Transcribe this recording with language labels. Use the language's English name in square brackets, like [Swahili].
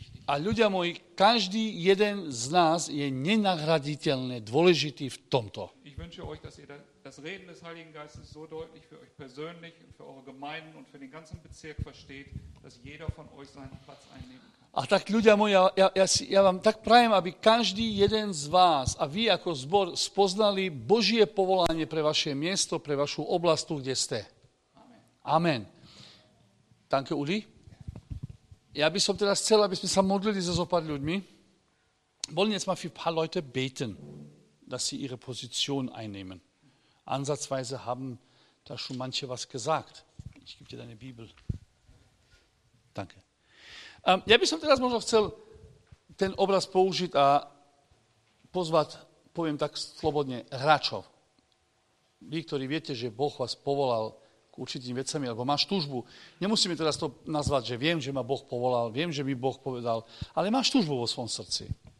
[Slovak] A ľudia moji, každý jeden z nás je nenahraditeľne dôležitý v tomto. [German] Das Reden des Heiligen Geistes so deutlich für euch persönlich und für eure Gemeinden und für den ganzen Bezirk versteht, dass jeder von euch seinen Platz einnehmen kann. [Slovak] A tak ľudia moji, ja vám tak prajem, aby každý jeden z vás a vy ako zbor spoznali Božie povolanie pre vaše miesto, pre vašu oblasť, tu, kde ste. Amen. [German] Danke, Uli. [Slovak] Ja by som teraz chcel, aby sme sa modlili za zopár ľuďmi. [German] Wollen jetzt mal für ein paar Leute beten, dass sie ihre Position einnehmen. Ansatzweise haben da schon manche was gesagt. Ich gebe dir deine Bibel. Danke. [Slovak] Ja by som teraz možno chcel ten obraz použiť a pozvať, poviem tak slobodne, hráčov. Vy, ktorí viete, že Boh vás povolal k určitým vecami, alebo máš túžbu. Nemusíme teraz to nazvať, že viem, že ma Boh povolal, viem, že mi Boh povedal, ale máš túžbu vo svojom srdci.